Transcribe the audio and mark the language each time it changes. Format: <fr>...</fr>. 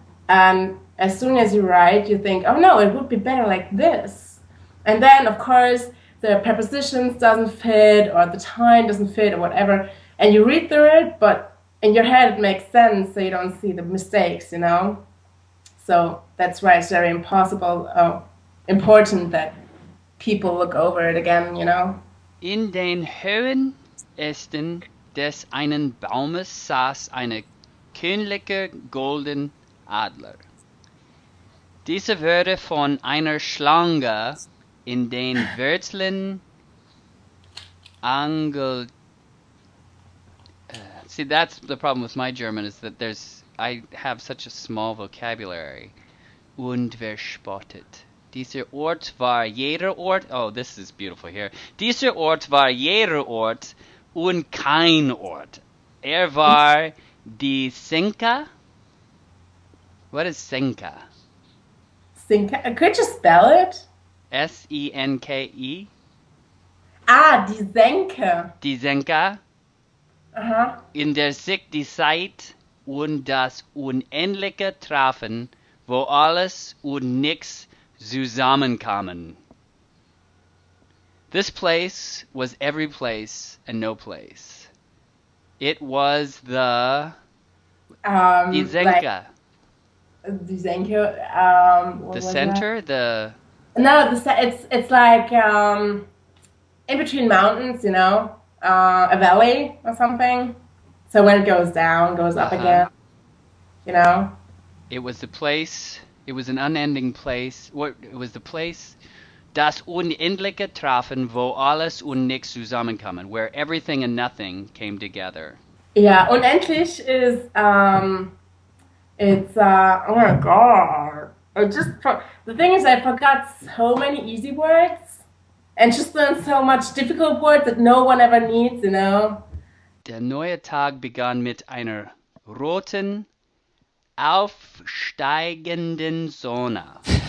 <en>and as soon as you write, you think, oh no, it would be better like this, and then of course the prepositions doesn't fit, or the time doesn't fit, or whatever. And you read through it, but in your head it makes sense, so you don't see the mistakes, you know? So that's why it's very important that people look over it again, you know?</en> <de>In den Höhen Ästen des einen Baumes saß eine königliche golden Adler. Diese wurde von einer Schlange in den Wurzeln angelt.</de> <en>See, that's the problem with my German, is that I have such a small vocabulary.</en> <de>Und verspottet. Dieser Ort war jeder Ort.</de> <en>Oh, this is beautiful here.</en> <de>Dieser Ort war jeder Ort und kein Ort. War die Senka. What is Senka?</de> <en>Senka? Could you spell it? S-E-N-K-E.</en> <de>Ah, die Senka. Die Senka. Uh-huh. In der Sicht die Zeit und das Unendliche trafen, wo alles und nichts zusammenkamen.</de> <en>This place was every place and no place. It was the...</en> <de>Die Senke.</de> <en>Like,</en> <de>die Senke.</de> <en>The center? It's like in between mountains, you know? A valley or something. So when it goes down, goes up again, you know? It was the place, it was an unending place. It was the place, das Unendliche trafen, wo alles und nichts zusammenkommen, where everything and nothing came together. Yeah, unendlich is, oh my god. The thing is, I forgot so many easy words. And just learn so much difficult words that no one ever needs, you know?</en> <de>Der neue Tag begann mit einer roten, aufsteigenden Sonne.</de>